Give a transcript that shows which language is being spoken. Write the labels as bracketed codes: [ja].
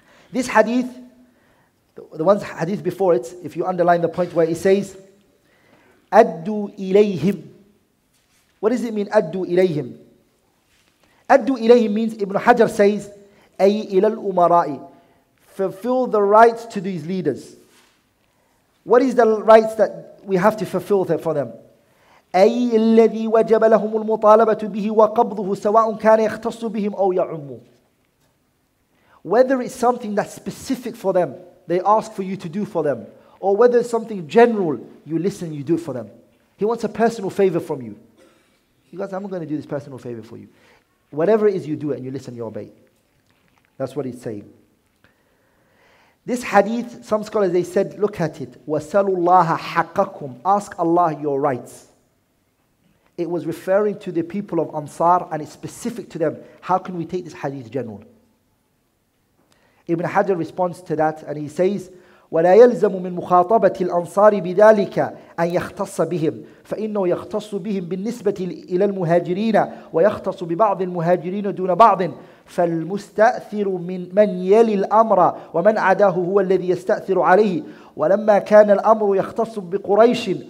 [en] This hadith, the ones hadith before it, if you underline the point where it says, [ar] أَدُّوا إِلَيْهِمْ. [en] What does it mean, [ar] أَدُّوا إِلَيْهِمْ? [en] أَدُّوا إِلَيْهِمْ means, Ibn Hajar says, [ar] أَيْ إِلَى الْأُمَرَاءِ. [en] Fulfill the rights to these leaders. What is the rights that we have to fulfill for them? [ar] أي الذي وجب لهم المطالبة به وقبضه سواء كان يختص بهم أو يعم. [en] Whether it's something that's specific for them, they ask for you to do for them, or whether it's something general, you listen, you do it for them. He wants a personal favor from you. He goes, I'm going to do this personal favor for you. Whatever it is, you do it and you listen, you obey. That's what he's saying. This hadith, some scholars, they said, look at it. [ar] وَسَلُوا اللَّهَ حَقَّكُمْ. [en] Ask Allah your rights. It was referring to the people of Ansar and it's specific to them. How can we take this hadith general? Ibn Hajar responds to that and he says, [ar] وَلَا يَلْزَمُ مِنْ مُخَاطَبَةِ الْأَنصَارِ بِذَلِكَ أَنْ يَخْتَصَّ بِهِمْ فَإِنَّهُ يَخْتَصُّ بِهِمْ بِالنِّسْبَةِ إِلَى الْمُهَاجِرِينَ وَيَخْتَصُّ بِبَعْضِ الْمُهَاجِرِينَ دُونَ بَعْضٍ فالمستأثر من يلي الأمر ومن عداه هو الذي يستأثر عليه ولما كان الأمر يختص بقريش